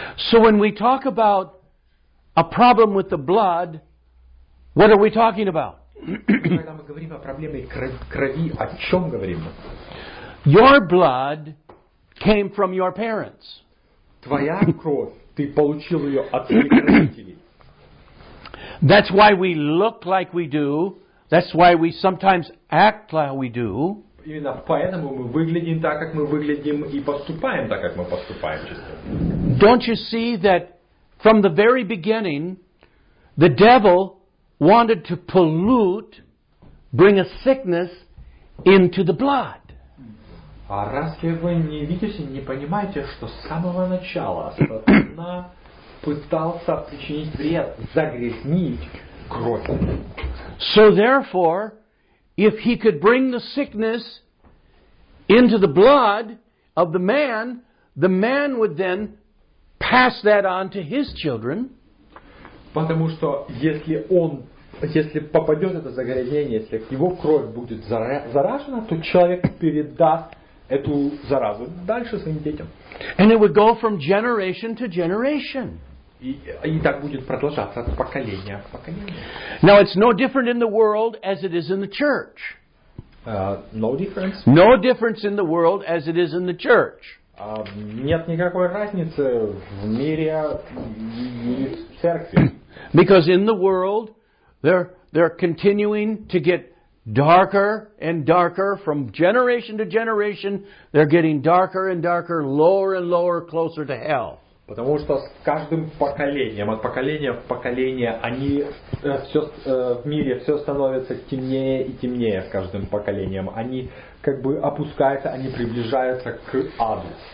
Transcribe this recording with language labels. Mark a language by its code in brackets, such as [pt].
[en] So when we talk about a problem with the blood, what are we talking about? [ru] Когда мы говорим о проблеме крови, о чем говорим? [en] Your blood came from your parents. [ru] Твоя кровь, ты получил ее от своих родителей. [en] That's why we look like we do. That's why we sometimes act like we do. [ru] Именно поэтому мы выглядим так, как мы выглядим, и поступаем так, как мы поступаем. [en] Don't you see that from the very beginning, the devil wanted to pollute, bring a sickness into the blood? [ru] А разве вы не видите, не понимаете, что с самого начала сатана пытался причинить вред, загрязнить кровь? [en] So therefore, if he could bring the sickness into the blood of the man would then pass that on to his children. [ru] Потому что если попадет это загрязнение, если его кровь будет заражена, то человек передаст эту заразу дальше своим детям. [en] And it would go from generation to generation. [ru] И так будет продолжаться от поколения к поколению. [en] Now it's no different in the world as it is in the church. No difference. No difference in the world as it is in the church. [ru] Нет никакой разницы в мире и в церкви. [en] Because in the world they're continuing to get darker and darker from generation to generation. They're getting darker and darker, lower and lower, closer to hell. [ru] Потому что с каждым поколением, от поколения в поколение, они все в мире все становится темнее и темнее с каждым поколением. Они как бы опускаются, они приближаются к аду.